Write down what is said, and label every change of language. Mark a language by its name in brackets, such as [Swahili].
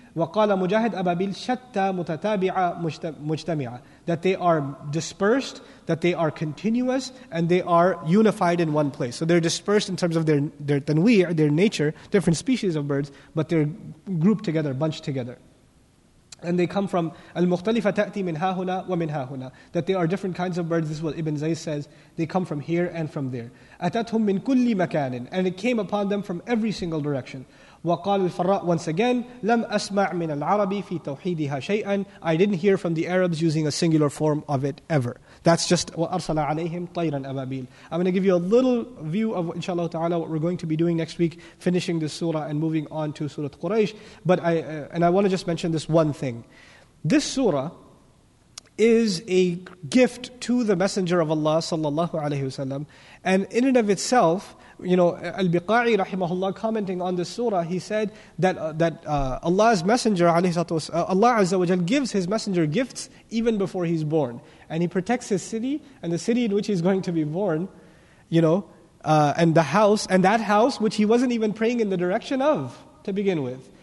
[Arabic] وقال مجاهد أبابيل شتى متتابعة مجتمعة, [English] that they are dispersed, that they are continuous, and they are unified in one place. So they're dispersed in terms of their تنويع, their nature, different species of birds, but they're grouped together, bunched together. And they come from [Arabic] المختلفة تأتي من هاهنا ومن هاهنا, [English] that they are different kinds of birds. This is what Ibn Zayd says. They come from here and from there. [Arabic] أتتهم من كل مكان, [English] and it came upon them from every single direction. [Arabic] وَقَالَ الْفَرَّاءُ [English] once again, [Arabic] لَمْ أَسْمَعْ مِنَ الْعَرَبِ فِي تَوْحِيدِهَا شَيْئًا. [English] I didn't hear from the Arabs using a singular form of it ever. That's just [Arabic] وَأَرْسَلَ عَلَيْهِمْ طَيْرًا أَبَابِيلَ. [English] I'm going to give you a little view of inshallah ta'ala what we're going to be doing next week, finishing this surah and moving on to Surah Quraysh. But I want to just mention this one thing. This surah is a gift to the Messenger of Allah sallallahu alayhi wa sallam, and in and of itself, you know, Al-Biqa'i rahimahullah commenting on this surah, he said that Allah's Messenger alayhi salatu wasalam, Allah azza wa jal gives his Messenger gifts even before he's born, and he protects his city and the city in which he's going to be born, you know, and the house, and that house which he wasn't even praying in the direction of to begin with.